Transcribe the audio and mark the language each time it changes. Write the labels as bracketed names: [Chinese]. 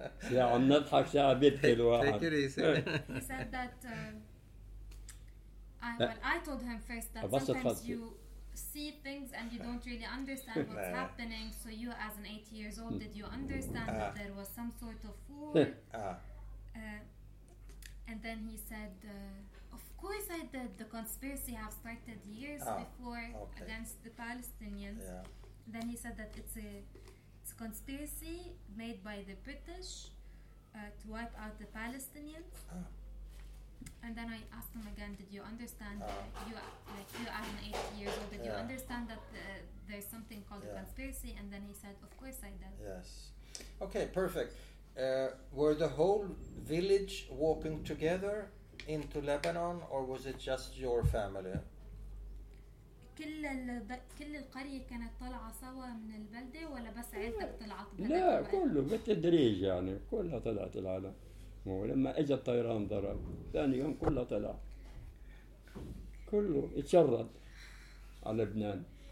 [Arabic] يا عم نضحك يا بيبي الواحد [English] Take it easy said that I told him first that sometimes you see things and you don't really understand what's happening so you as an 8 years old did you understand that there was some sort of war and then he said of course I did. The conspiracy have started years before against the Palestinians. Yeah. Then he said that it's a conspiracy made by the British to wipe out the Palestinians. And then I asked him again, did you understand, you are 8 years old, did you understand that there's something called a conspiracy? And then he said, of course I did. Yes. Okay, perfect. Were the whole village walking together into Lebanon, or was it just your family? [Arabic] كل القرية كانت طلعة سوا من البلدة ولا بس عيلتك طلعت؟ لا كله بالتدريج يعني كلها طلعت العالم. ولما اجى الطيران ضرب ثاني يوم كله طلع كله اتشرد على لبنان.